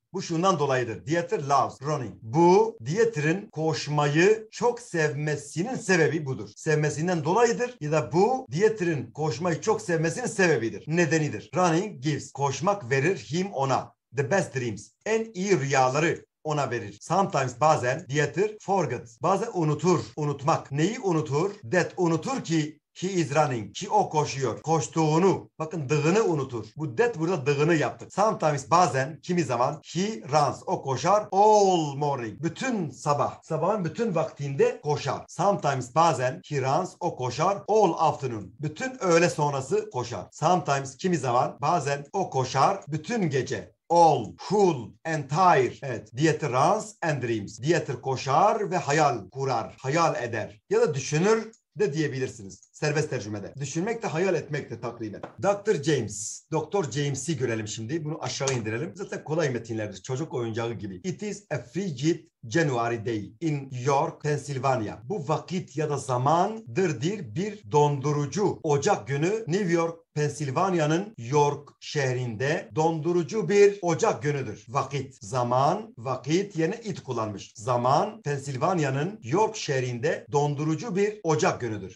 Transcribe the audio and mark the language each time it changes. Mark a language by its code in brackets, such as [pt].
[tr] bu şundan dolayıdır [en] Dieter loves running [tr] bu Dieter'in koşmayı çok sevmesinin sebebi budur sevmesinden dolayıdır ya da bu Dieter'in koşmayı çok sevmesinin sebebidir nedenidir [en] running gives [tr] koşmak verir [en] him [tr] ona [en] the best dreams [tr] en iyi rüyaları ona verir. [en] Sometimes [tr] bazen Dieter forgets. Bazen unutur. Unutmak. Neyi unutur? [en] That [tr] unutur ki [en] he is running. [tr] Ki o koşuyor. Koştuğunu. Bakın dığını unutur. Bu [en] that [tr] burada dığını yaptık. [en] Sometimes [tr] bazen kimi zaman [en] he runs. [tr] O koşar [en] all morning. [tr] Bütün sabah. Sabahın bütün vaktinde koşar. [en] Sometimes [tr] bazen [en] he runs. [tr] O koşar [en] all afternoon. [tr] Bütün öğle sonrası koşar. [en] Sometimes [tr] kimi zaman bazen o koşar bütün gece. [en] All, whole, entire. [tr] Evet. [en] Dieter runs and dreams. [tr] Dieter koşar ve hayal kurar. Hayal eder. Ya da düşünür de diyebilirsiniz. Serbest tercümede. Düşünmek de hayal etmek de takriben. Dr. James. Dr. James'i görelim şimdi. Bunu aşağı indirelim. Zaten kolay metinlerdir. Çocuk oyuncağı gibi. [en] It is a frigid January day in York, Pennsylvania. [tr] Bu vakit ya da zamandırdır bir dondurucu. Ocak günü New York, Pennsylvania'nın York şehrinde dondurucu bir ocak günüdür. Vakit, zaman, vakit yerine it kullanmış. Zaman, Pennsylvania'nın York şehrinde dondurucu bir ocak günüdür.